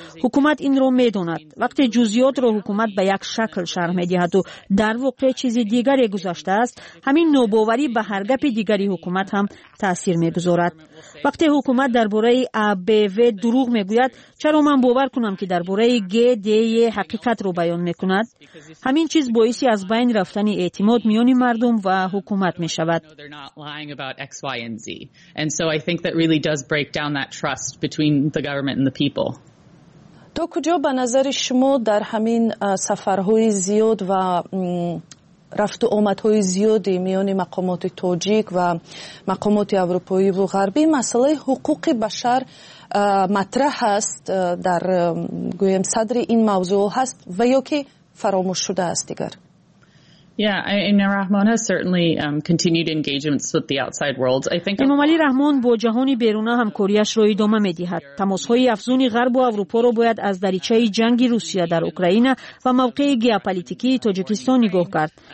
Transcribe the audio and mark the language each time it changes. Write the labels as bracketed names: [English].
[Persian] حکومت این را می داند. وقتی جزئیات را حکومت به یک شکل شرح می دهد و در واقع چیزی دیگری گذشته است، همین نوباوری به هر گپ دیگری حکومت هم تأثیر می گذارد. وقتی حکومت درباره ABV دروغ می گوید، چرا من باور کنم که درباره GDE حقیقت را بیان می کند؟ همین چیز باعث از بین رفتن اعتماد میان مردم و حکومت می شود. [English] And so I think that really does break down that trust between the government and the people. [Persian] تو کجا به نظر شما در همین سفرهای زیاد و رفت و آمدهای زیادی میان مقامات تاجیک و مقامات اروپایی و غربی مسئله حقوق بشر مطرح است در گویم صدر این موضوع هست و یا که فراموش شده است دیگر؟ [English] Rahman certainly continued engagements with the outside world. I think [Persian] امام علی رحمان با جهان بیرون همکاریش را ادامه می‌دهد. تماس‌های افزون غرب و اروپا را باید از دریچه جنگ روسیه در اوکراین و موقع ژئوپلیتیکی تاجیکستان نگاه کرد.